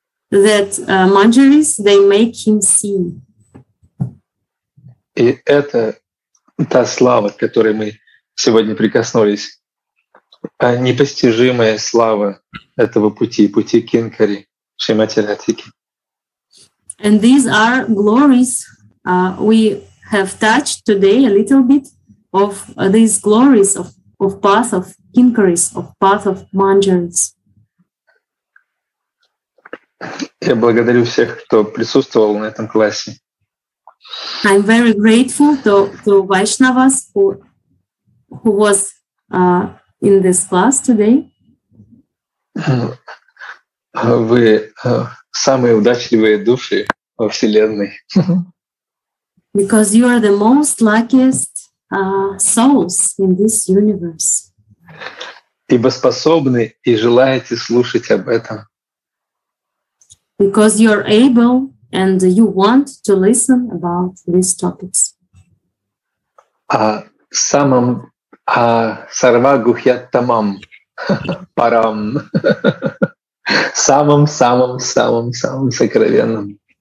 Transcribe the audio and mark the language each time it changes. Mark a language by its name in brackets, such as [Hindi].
[English] That Manjaris, they make him see. [Russian] И это та слава, к которой мы сегодня прикоснулись. А непостижимая слава этого пути, пути Кинкари, Шримати Радхики. [English] And these are glories we have touched today a little bit of these glories of path of Kinkaris, of path of Manjaris. [Russian] Я благодарю всех, кто присутствовал на этом классе. [English] I'm very grateful to Vaishnavas who was in this class today. [Russian] Вы самые удачливые души во Вселенной. [English] Because you are the most luckiest souls in this universe. [Russian] Ибо способны и желаете слушать об этом. [English] Because you are able and you want to listen about these topics. [Sanskrit] А сарва гухьяттамам парам [Russian] самым сокровенным.